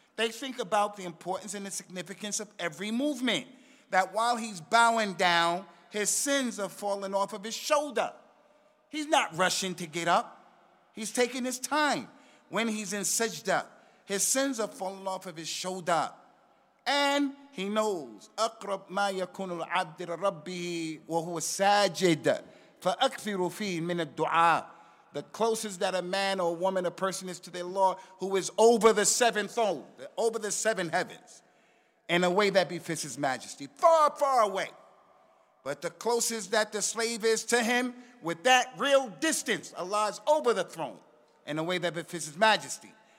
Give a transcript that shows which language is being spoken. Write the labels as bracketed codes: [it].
[en] They think about the importance and the significance of every movement, that while he's bowing down, His sins have fallen off of his shoulder. He's not rushing to get up. He's taking his time. When he's in sajda, his sins have fallen off of his shoulder. And he knows, [ar] أَقْرَبْ مَا يَكُونُ الْعَبْدِ لَرَبِّهِ وَهُوَ سَاجِدَ فَأَكْثِرُ فِيهِ مِنَ الدُّعَاءِ. [en] The closest that a man or a woman, a person is to their Lord, who is over the seven thrones, over the seven heavens, in a way that befits his majesty. Far, far away. But the closest that the slave is to him, with that real distance, Allah is over the throne, in a way that befits his majesty.